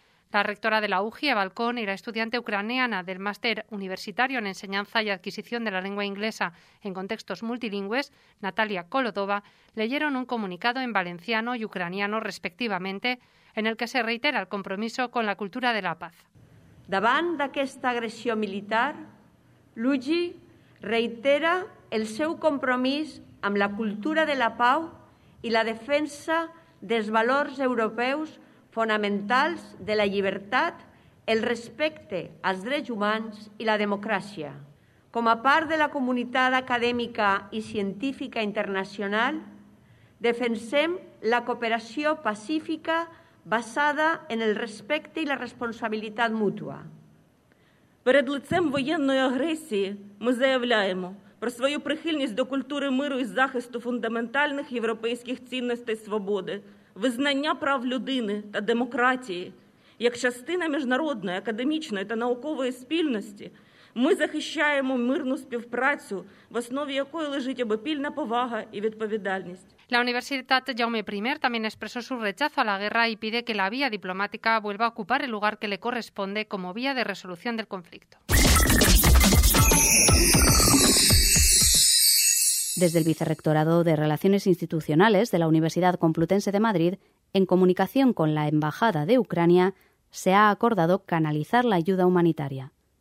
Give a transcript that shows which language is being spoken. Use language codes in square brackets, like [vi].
[es] La rectora de la UJI, Eva Alcón, y la estudiante ucraniana del Máster Universitario en Enseñanza y Adquisición de la Lengua Inglesa en Contextos Multilingües, Natalia Kolodova, leyeron un comunicado en valenciano y ucraniano, respectivamente, en el que se reitera el compromiso con la cultura de la paz. [ca] Davant d'aquesta agressió militar, l'UJI reitera el seu compromís amb la cultura de la pau i la defensa dels valors europeus fonamentals de la llibertat, el respecte als drets humans i la democràcia. Com a part de la comunitat acadèmica i científica internacional, defensem la cooperació pacífica basada en el respecte i la responsabilitat mútua. [uk] Перед лицем воєнної агресії ми заявляємо про свою прихильність до культури миру і захисту фундаментальних європейських цінностей свободи, визнання прав людини та демократії. Як частина міжнародної, академічної та наукової спільності, ми захищаємо мирну співпрацю, в основі якої лежить обопільна повага і відповідальність. [es] La Universitat Jaume I también expresó su rechazo a la guerra y pide que la vía diplomática vuelva a ocupar el lugar que le corresponde como vía de resolución del conflicto. Desde el Vicerrectorado de Relaciones Institucionales de la Universidad Complutense de Madrid, en comunicación con la Embajada de Ucrania, se ha acordado canalizar la ayuda humanitaria.